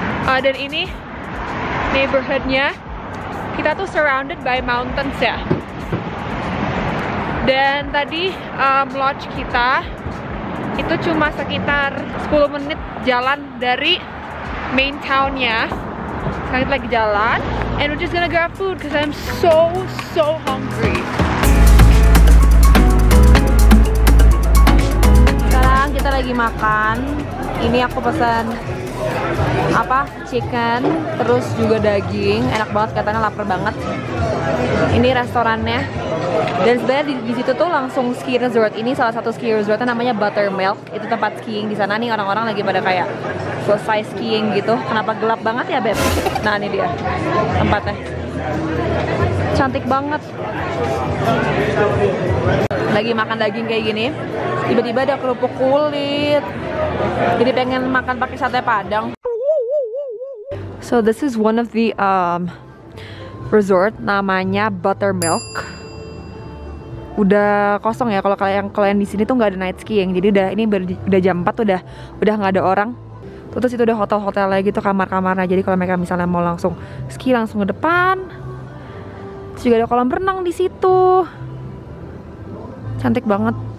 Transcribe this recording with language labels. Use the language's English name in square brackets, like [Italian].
[Indonesian] Dan ini neighborhoodnya, kita tuh [English] surrounded by mountains [Indonesian] ya. Dan tadi lodge kita itu cuma sekitar 10 menit jalan dari main townnya. Sekarang kita lagi jalan, [English] and we're just gonna grab food because I'm so hungry. [Indonesian] Sekarang kita lagi makan. Ini aku pesan apa, chicken, terus juga daging, enak banget, katanya lapar banget. Ini restorannya, dan sebenarnya di situ tuh langsung ski resort. Ini salah satu ski resortnya namanya Buttermilk, itu tempat skiing di sana nih. Orang-orang lagi pada kayak selesai skiing gitu. Kenapa gelap banget ya beb? Nah ini dia tempatnya, cantik banget. lagi makan daging kayak gini, tiba-tiba ada kerupuk kulit, jadi pengen makan pakai sate Padang. [English] So this is one of the resort, [Indonesian] namanya Buttermilk. Udah kosong ya, kalau kalian di sini tuh nggak ada night skiing, jadi udah ini udah jam 4 udah nggak ada orang. Terus itu udah hotel-hotelnya gitu, kamar-kamarnya. Jadi kalau mereka misalnya mau langsung ski langsung ke depan. Terus juga ada kolam renang di situ. Cantik banget.